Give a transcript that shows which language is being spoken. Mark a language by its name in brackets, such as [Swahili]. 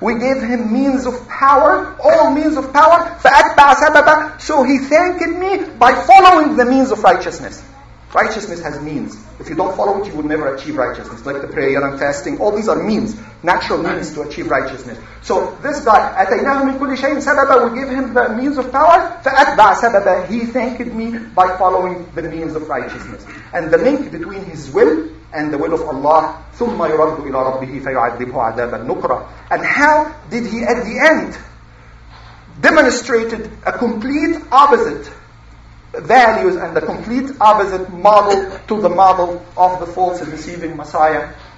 [English] We gave him means of power, all means of power. [Arabic] فَأَتْبَعَ سَبَبًا. [English] So he thanked me by following the means of righteousness. Righteousness has means. If you don't follow it, you would never achieve righteousness. Like the prayer and fasting. All these are means. Natural means to achieve righteousness. So this guy, [Arabic] أَتَيْنَاهُ مِنْ كُلِّ شَيْءٍ سَبَبًا. [English] We gave him the means of power. [Arabic] فَأَتْبَعَ سَبَبًا. [English] He thanked me by following the means of righteousness. And the link between his will and the will of Allah, [Arabic] ثُمَّ يُرَدُّ إِلَىٰ رَبِّهِ فَيُعَذِّبُهُ عَذَابًا نُكْرًا. [English] And how did he at the end demonstrated a complete opposite values and the complete opposite model to the model of the false and deceiving Messiah?